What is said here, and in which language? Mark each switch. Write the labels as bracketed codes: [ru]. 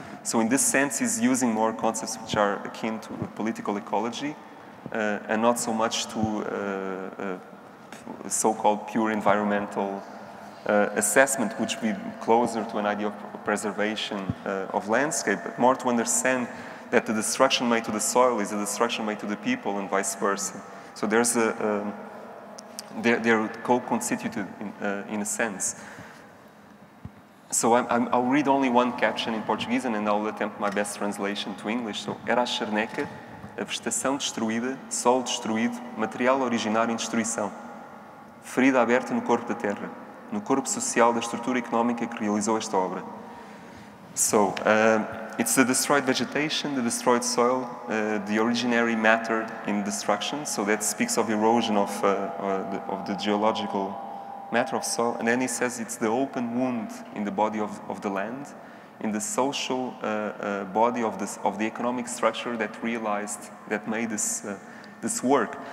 [en] So in this sense, he's using more concepts which are akin to political ecology, and not so much to so-called pure environmental assessment, which would be closer to an idea of preservation of landscape, but more to understand that the destruction made to the soil is a destruction made to the people and vice versa. So there's they're co-constituted in a sense. So I'll read only one caption in Portuguese, and then I'll attempt my best translation to English. [pt] So, era a charneca, a vegetação destruída, sol destruído, material originário em destruição, ferida aberta no corpo da terra, no corpo social da estrutura económica que realizou esta obra. [en] So, it's the destroyed vegetation, the destroyed soil, the originary matter in destruction. So that speaks of erosion of the geological matter of soil, and then he says it's the open wound in the body of the land, in the social body of the economic structure that made this work.